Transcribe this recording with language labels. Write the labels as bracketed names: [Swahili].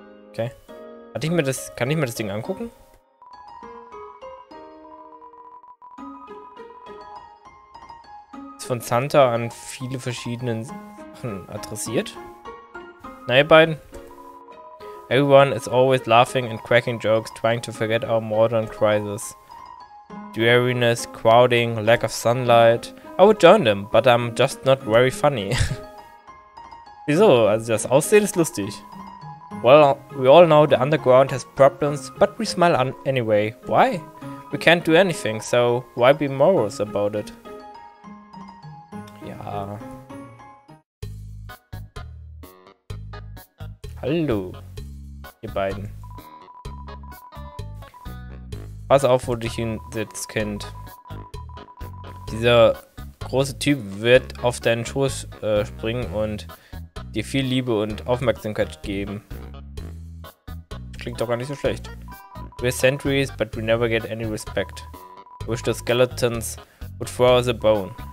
[German] Okay. Hatte ich mir das. Kann ich mir das Ding angucken? Ist von Santa an viele verschiedene Sachen adressiert. Na ihr beiden. [English] Everyone is always laughing and cracking jokes, trying to forget our modern crisis. Dreariness, crowding, lack of sunlight. I would join them, but I'm just not very funny. [German] Wieso? Also das Aussehen ist lustig. [English] Well, we all know the underground has problems, but we smile anyway. Why? We can't do anything, so why be morose about it? [German] Ja. Hallo, ihr beiden. Pass auf, wo du dich hinsetzt, Kind. Dieser große Typ wird auf deinen Schoß springen und dir viel Liebe und Aufmerksamkeit geben. Klingt doch gar nicht so schlecht. [English] We're sentries, but we never get any respect. Wish the skeletons would throw us a bone.